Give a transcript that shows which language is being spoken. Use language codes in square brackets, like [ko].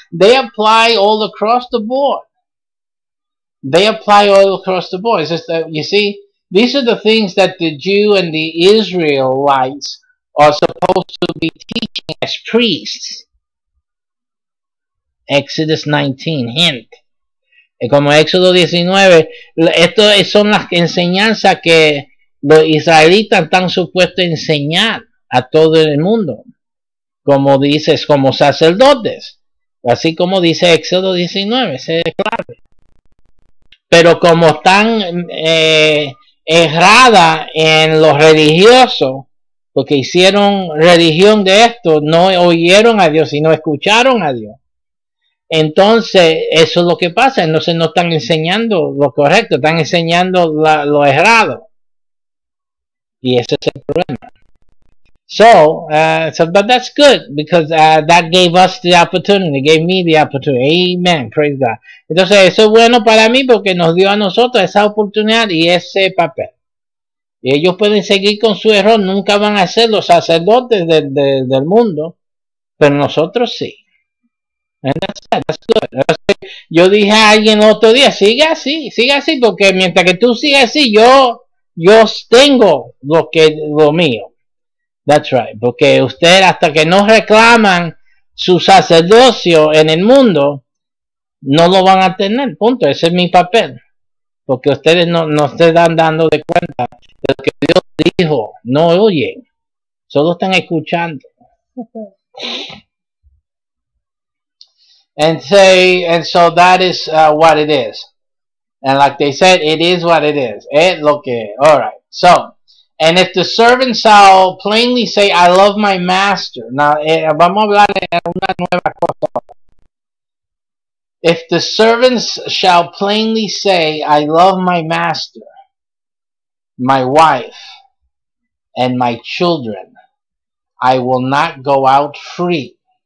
[en] They apply all across the board. They apply all across the board. It's just that, you see, these are the things that the Jew and the Israelites are supposed to be teaching as priests. Exodus 19, hint. [es] Como Éxodo 19, estas son las enseñanzas que los israelitas están supuestos a enseñar a todo el mundo. Como dices, como sacerdotes. Así como dice Éxodo 19, ese es clave. Pero como están errada en los religiosos, porque hicieron religión de esto, no oyeron a Dios, sino escucharon a Dios. Entonces, eso es lo que pasa. Entonces, no están enseñando lo correcto, están enseñando lo errado. Y ese es el problema. [en] So, but that's good, because that gave us the opportunity, gave me the opportunity. Amen, praise God. [es] Entonces, eso es bueno para mí porque nos dio a nosotros esa oportunidad y ese papel. Y ellos pueden seguir con su error, nunca van a ser los sacerdotes del mundo, pero nosotros sí. [en] And that's good. [es] Yo dije a alguien el otro día, sigue así, porque mientras que tú sigas así, yo tengo lo mío. [en] That's right, [es] porque usted, hasta que no reclaman su sacerdocio en el mundo, no lo van a tener, punto. Ese es mi papel, porque ustedes no se están dando de cuenta de lo que Dios dijo, no oyen, solo están escuchando. [en] And so that is what it is. And like they said, it is what it is. [es] Es lo que, [en] all right, so. And if the servant shall plainly say, I love my master. [es] Now, vamos a hablar de una nueva cosa. [en] If the servants shall plainly say, I love my master, my wife, and my children, I will not go out free.